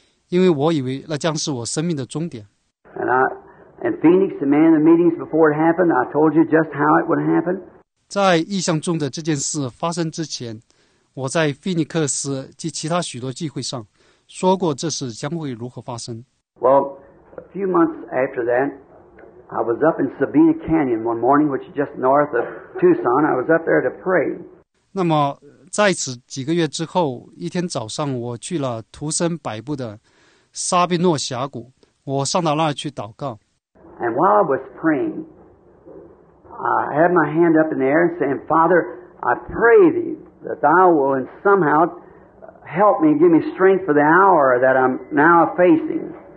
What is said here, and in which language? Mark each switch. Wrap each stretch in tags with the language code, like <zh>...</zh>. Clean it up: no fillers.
<zh>我与大儿子来到图森，是为我妻子和其他孩子们做好我去世后的安排，因为我以为那将是我生命的终点。</zh> <en>In Phoenix, the man in the meetings before it happened, I told you just how it would happen.</en> <zh>在意象中的这件事发生之前，我在 Phoenix 及其他许多聚会上说过这事将会如何发生。</zh> <en>Well, a few months after that, I was up in Sabina Canyon one morning, which is just north of Tucson. I was up there to pray.</en> <zh>那么在此几个月之后，一天早上，我去了图森北部的沙宾诺峡谷，我上到那儿去祷告。</zh> <en>And while I was praying, I had my hand up in the air saying, Father, I pray thee that thou will in somehow help me, give me strength for the hour that I'm now facing.</en>